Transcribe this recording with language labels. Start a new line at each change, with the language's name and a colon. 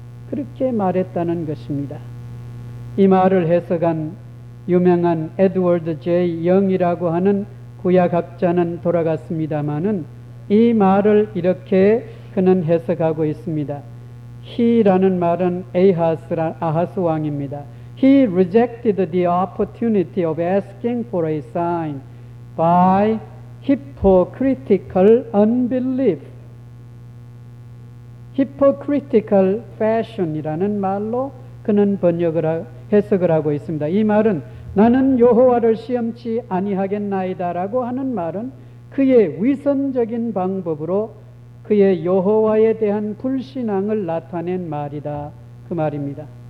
Korean: 그렇게 말했다는 것입니다. 이 말을 해석한 유명한 에드워드 제이 영이라고 하는 구약학자는 돌아갔습니다마는 이 말을 이렇게 그는 해석하고 있습니다. He라는 말은 아하스 왕입니다.
English: He rejected the opportunity of asking for a sign by hypocritical unbelief. Hypocritical fashion
Korean: 이라는 말로 그는 번역을 해석을 하고 있습니다. 이 말은 나는 여호와를 시험치 아니하겠나이다라고 하는 말은 그의 위선적인 방법으로 그의 여호와에 대한 불신앙을 나타낸 말이다. 그 말입니다.